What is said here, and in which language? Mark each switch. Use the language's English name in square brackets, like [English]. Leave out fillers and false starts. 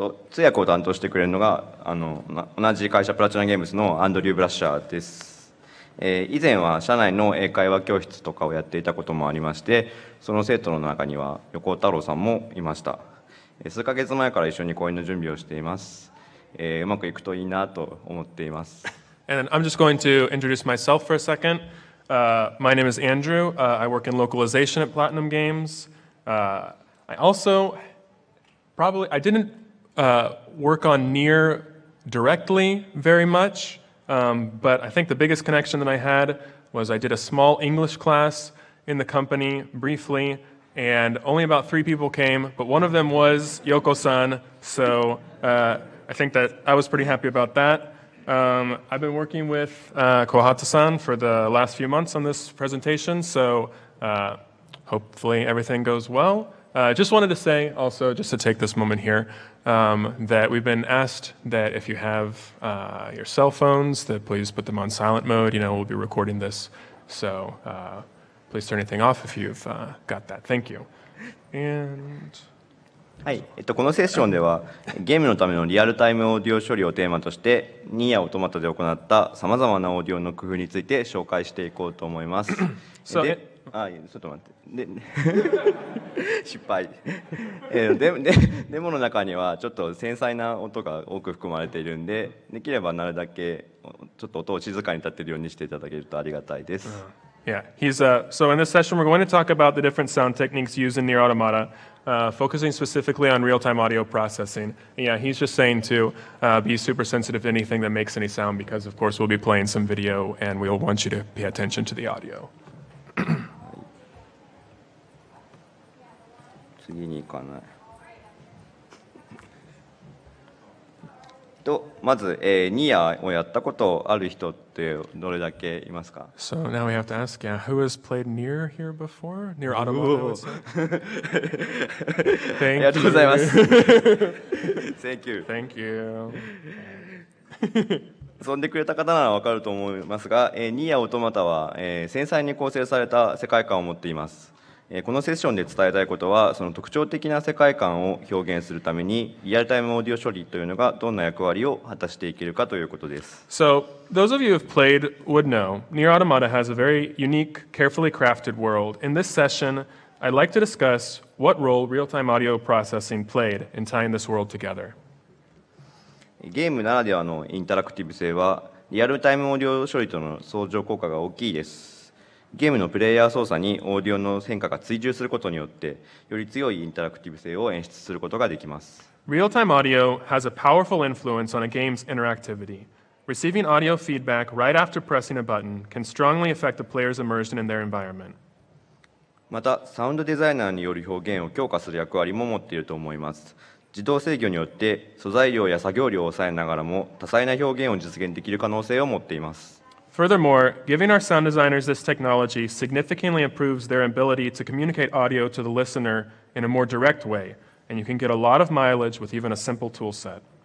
[Japanese] 通訳を担当してくれるのが同じ会社プラチナゲームズのアンドリュー・ブラッシャーです。以前は社内の英会話教室とかをやっていたこともありまして、その生徒の中には横尾太郎さんもいました。数ヶ月前から一緒に講演の準備をしています。うまくいくといいなと思っています。 [English] And I'm just going to introduce myself for a second. My name is Andrew. I work in localization at Platinum Games. I also probably I didn't、work on Near directly very muchBut I think the biggest connection that I had was I did a small English class in the company briefly, and only about three people came, but one of them was Yoko-san, so、I think that I was pretty happy about that.、I've been working with、Kohata-san for the last few months on this presentation, so、hopefully everything goes well. I、just wanted to say also, just to take this moment here,that we've been asked that if you have、your cell phones, that please put them on silent mode. You know, we'll be recording this. So、please turn anything off if you've、got that. Thank you. And... [Japanese] はい、このセッションではゲームのためのリアルタイムオーディオ処理をテーマとしてニーヤオートマタで行ったさまざまなオーディオの工夫について紹介していこうと思います。 [English] So, [Japanese] で、あ、ちょっと待って、で失敗でデモの中にはちょっと繊細な音が多く含まれているんで、できればなるだけちょっと音を静かに立てるようにしていただけるとありがたいです。 [English] Yeah, he's, so in this session we're going to talk about the different sound techniques used in Near Automatafocusing specifically on real-time audio processing. Yeah, he's just saying to、be super sensitive to anything that makes any sound, because of course we'll be playing some video and we'll want you to pay attention to the audio. [Japanese] 次に行かない。まず、ニアをやったことある人ってどれだけいますか。 [English] So now we have to ask, yeah, who has played Near here before? Near Automata. Thank you. [Japanese] ありがとうございます。 [English] Thank you. Thank you. [Japanese] 遊んでくれた方ならわかると思いますが、ニアオートマタは、繊細に構成された世界観を持っています。このセッションで伝えたいことは、その特徴的な世界観を表現するためにリアルタイムオーディオ処理というのがどんな役割を果たしていけるかということです。 [English] So those of you who have played would know Near Automata has a very unique, carefully crafted world. In this session I'd like to discuss what role real-time audio processing played in tying this world together. [Japanese] ゲームならではのインタラクティブ性はリアルタイムオーディオ処理との相乗効果が大きいです。ゲームのプレイヤー操作にオーディオの変化が追従することによって、より強いインタラクティブ性を演出することができます。 [English] Real-time audio has a powerful influence on a game's interactivity. Receiving audio feedback right after pressing a button can strongly affect the player's immersion in their environment. [Japanese] また、サウンドデザイナーによる表現を強化する役割も持っていると思います。自動制御によって素材量や作業量を抑えながらも多彩な表現を実現できる可能性を持っています。 [English] Furthermore, giving our sound designers this technology significantly improves their ability to communicate audio to the listener in a more direct way, and you can get a lot of mileage with even a simple tool set.